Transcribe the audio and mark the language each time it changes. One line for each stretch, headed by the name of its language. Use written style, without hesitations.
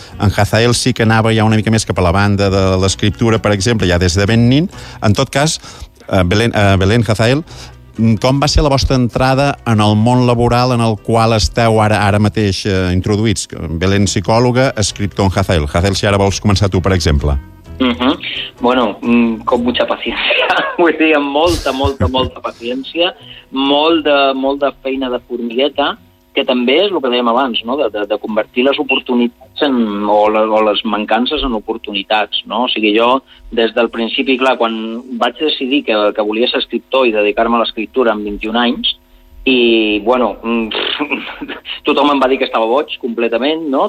Catalan: En Hazael sí que anava ja una mica més cap a la banda de l'escriptura, per exemple, ja des de ben nin. En tot cas, Belén, Hazael, com va ser la vostra entrada en el món laboral en el qual esteu ara mateix introduïts? Belén, psicòloga, escriptor, en Hazael. Hazael, si ara vols començar tu, per exemple.
Spanish: Bueno, con mucha paciencia.
Catalan: Vull dir, amb molta, molta, molta paciència, molt de feina de formigueta, que també és el que dèiem abans, no? De convertir les oportunitats o les mancances en oportunitats, no? O sigui, jo des del principi, clar, quan vaig decidir que volia ser escriptor i dedicar-me a l'escriptura amb 21 anys, i, bueno, tothom em va dir que estava boig completament, no?